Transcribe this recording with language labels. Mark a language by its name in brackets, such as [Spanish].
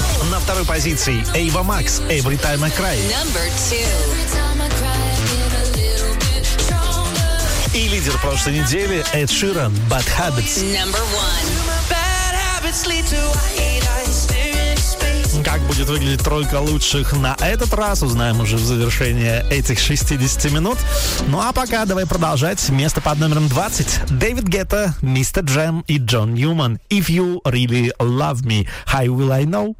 [Russian] На второй позиции Ava Max, Every Time I Cry. [English] Number 2. [Russian] И лидер прошлой недели Ed Sheeran, Bad Habits. [English] Number 1. Bad habits lead to [Russian] Как будет выглядеть тройка лучших на этот раз, узнаем уже в завершении этих 60 минут. Ну а пока давай продолжать. Место под номером 20. Дэвид Гетта, Мистер Джем и Джон Ньюман. [English] If you really love me, how will I know?